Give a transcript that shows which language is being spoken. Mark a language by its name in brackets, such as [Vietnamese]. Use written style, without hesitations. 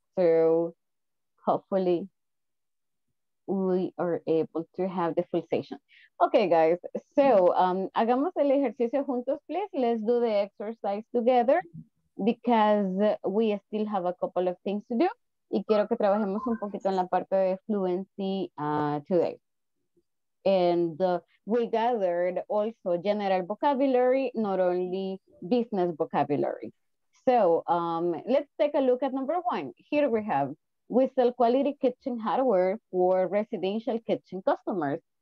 [English] So hopefully we are able to have the full session. Okay, guys. So, [Spanish] hagamos el ejercicio juntos, [English] please. Let's do the exercise together because we still have a couple of things to do. [Spanish] Y quiero que trabajemos un poquito en la parte de [English] fluency today. And we gathered also general vocabulary, not only business vocabulary. So let's take a look at number one. Here we have, we sell quality kitchen hardware for residential kitchen customers.